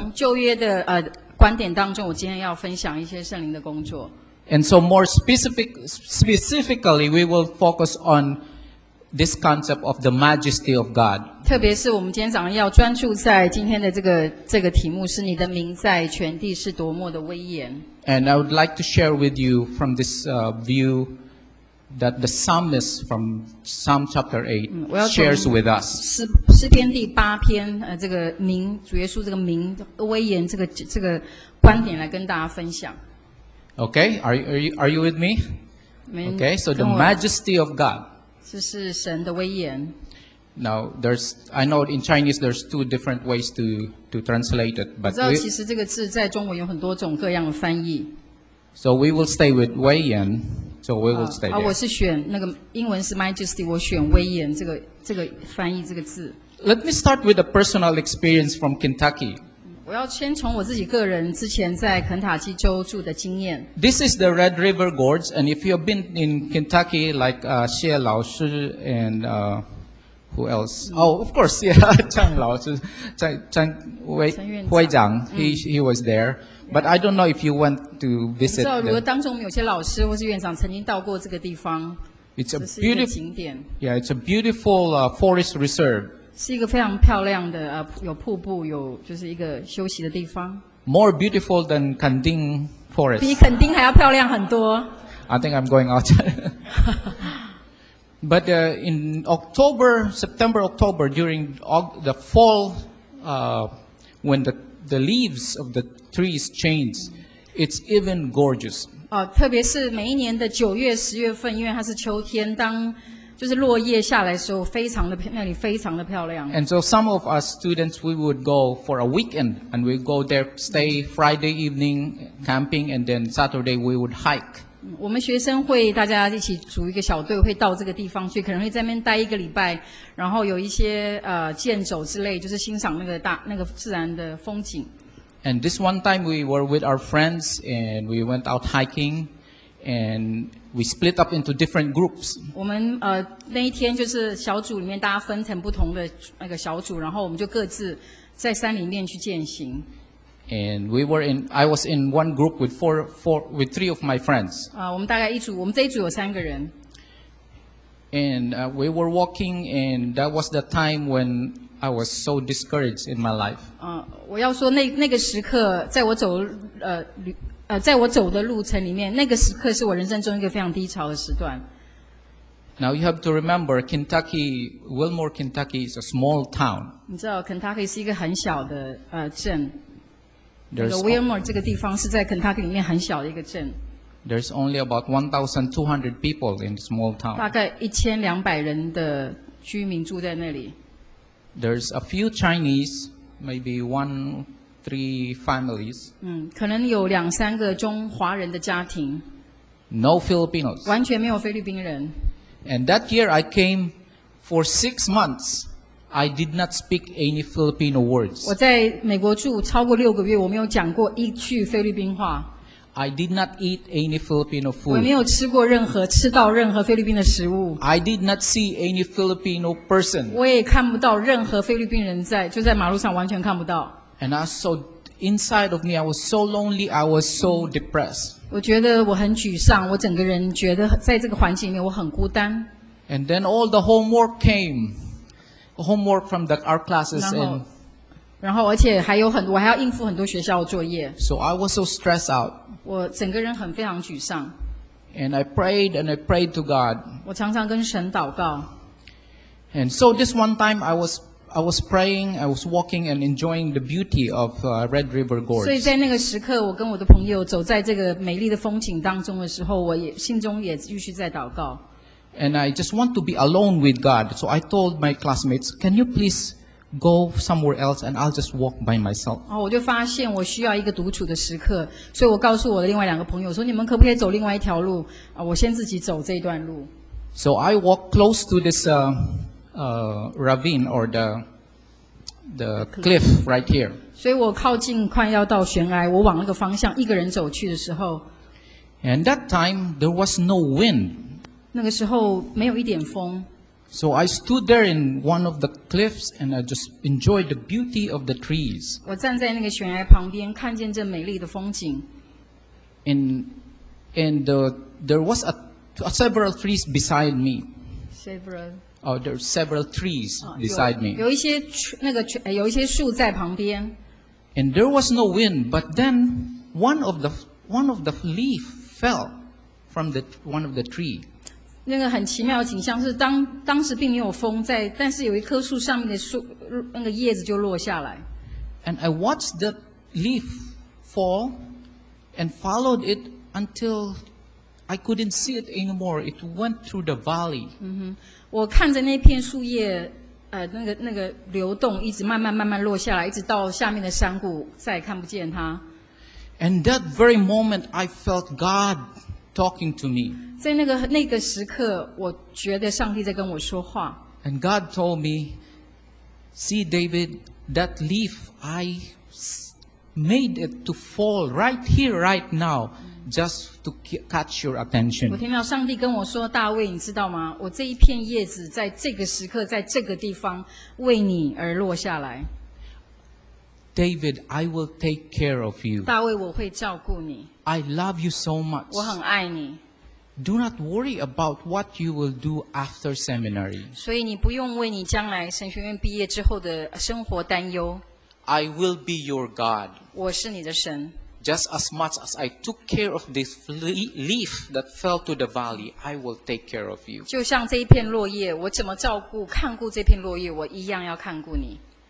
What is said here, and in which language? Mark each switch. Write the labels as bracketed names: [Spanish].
[Chinese] 从旧约的观点当中，我今天要分享一些圣灵的工作。 [English] And so more specifically, we will focus on this concept of the majesty of God. [Chinese] 特别是我们今天早上要专注在今天的这个题目，是你的名在全地是多么的威严。 [English] And I would like to share with you from this view that the psalmist from Psalm chapter 8 shares with us. [Chinese] 诗篇第八篇，这个名，主耶稣这个名，威严这个观点来跟大家分享。 [English] Okay, are you with me? Okay, so the majesty of God. [Chinese] 这是神的威严。 [English] Now, I know in Chinese there's two different ways to translate it, but [Chinese] 我知道其实这个字在中文有很多种各样的翻译。 [English] So we will stay with 威严。So we will stay there. [Chinese] 我是选那个英文是 majesty， 我选威严这个翻译这个字。 [English] Let me start with a personal experience from Kentucky. [Chinese] 我要先从我自己个人之前在肯塔基州住的经验。 [English] This is the Red River Gorge, and if you've been in Kentucky, like Xie 老师 and who else? Oh, of course, yeah, Chang 老师， [Chinese] 陈委会长 ，he was there. [English] But I don't know if you went to visit. [Chinese] 不知道如果当中有些老师或是院长曾经到过这个地方。 [English] It's a beautiful [Chinese] 景点。 [English] Yeah, it's a beautiful forest reserve. [Chinese] 是一个非常漂亮的有瀑布有就是一个休息的地方。 [English] More beautiful than Kanding Forest. [Chinese] 比垦丁还要漂亮很多。 [English] I think I'm going out. But in September, October during the fall, when the leaves of the trees change, it's even gorgeous. [Chinese] 特别是每一年的九月、十月份，因为它是秋天，当就是落叶下来的时候，非常的那里非常的漂亮。 [English] And so some of us students, we would go for a weekend, and we go there, stay Friday evening camping, and then Saturday we would hike. [Chinese] 我们学生会大家一起组一个小队，会到这个地方去，可能会在那边待一个礼拜，然后有一些健走之类，就是欣赏那个自然的风景。 [English] And this one time we were with our friends and we went out hiking and we split up into different groups. [Chinese] 我们那一天就是小组里面大家分成不同的那个小组，然后我们就各自在山里面去践行。 [English] And I was in one group with with three of my friends. [Chinese] 我们大概一组，我们这一组有三个人。 [English] And we were walking and that was the time when I was so discouraged in my life. [Chinese] 我要说那个时刻，在我走的路程里面，那个时刻是我人生中一个非常低潮的时段。 [English] Now you have to remember, Kentucky, Wilmore, Kentucky is a small town. [Chinese] 你知道肯塔基是一个很小的镇。 Wilmore 这个地方是在肯塔基里面很小的一个镇。 [English] There's only about 1,200 people in the small town. [Chinese] 大概1,200人的居民住在那里。 [English] There's a few Chinese, maybe 1-3 families. [Chinese] 可能有两三个中华人的家庭。 [English] No Filipinos. [Chinese] 完全没有菲律宾人。 [English] And that year I came for 6 months. I did not speak any Filipino words. [Chinese] 我在美国住超过六个月，我没有讲过一句菲律宾话。 [English] I did not eat any Filipino food. [Chinese] 我没有吃过吃到任何菲律宾的食物。 [English] I did not see any Filipino person. [Chinese] 我也看不到任何菲律宾人就在马路上完全看不到。 [English] And I saw inside of me, I was so lonely, I was so depressed. [Chinese] 我觉得我很沮丧，我整个人觉得在这个环境里面我很孤单。 [English] And then all the homework came, homework from the art classes and. [Chinese] 然后而且还有很多，我还要应付很多学校的作业。 [English] So I was so stressed out. [Chinese] 我整个人很非常沮丧。 [English] And I prayed and I prayed to God. [Chinese] 我常常跟神祷告。 [English] And so this one time I was praying, I was walking and enjoying the beauty of Red River Gorge. [Chinese] 所以在那个时刻，我跟我的朋友走在这个美丽的风景当中的时候，我也心中也继续在祷告。 [English] And I just want to be alone with God. So I told my classmates, "Can you please go somewhere else, and I'll just walk by myself." [Chinese] 我就发现我需要一个独处的时刻，所以我告诉我的另外两个朋友说，你们可不可以走另外一条路？我先自己走这一段路。 [English] So I walk close to this ravine or the cliff right here. [Chinese] 所以我靠近快要到悬崖，我往那个方向一个人走去的时候。 [English] And that time there was no wind. [Chinese] 那个时候没有一点风。 [English] So I stood there in one of the cliffs and I just enjoyed the beauty of the trees. [Chinese] 我站在那个悬崖旁边，看见这美丽的风景。 [English] And there was a several trees beside me. Several. Oh, there are several trees beside me. [Chinese] 有一些树在旁边。 [English] And there was no wind, but then one of the leaf fell from one of the tree. [Chinese] 那个很奇妙的景象是当时并没有风在，但是有一棵树上面的树那个叶子就落下来。 [English] And I watched the leaf fall and followed it until I couldn't see it anymore. It went through the valley. [Chinese] 我看着那片树叶，那个流动，一直慢慢落下来，一直到下面的山谷，再也看不见它。 [English] And that very moment, I felt God talking to me. [Chinese] 在那个时刻，我觉得上帝在跟我说话。 [English] And God told me, "See, David, that leaf I made it to fall right here, right now, just to catch your attention." [Chinese] 我听到上帝跟我说，大卫，你知道吗？我这一片叶子在这个时刻，在这个地方为你而落下来。 [English] David, I will take care of you. [Chinese] 大卫，我会照顾你。 [English] I love you so much. [Chinese] 我很爱你。 [English] Do not worry about what you will do after seminary. [Chinese] 所以你不用为你将来神学院毕业之后的生活担忧。 [English] I will be your God. [Chinese] 我是你的神。 [English] Just as much as I took care of this leaf that fell to the valley, I will take care of you. [Chinese] 就像这一片落叶，我怎么照顾、看顾这片落叶，我一样要看顾你。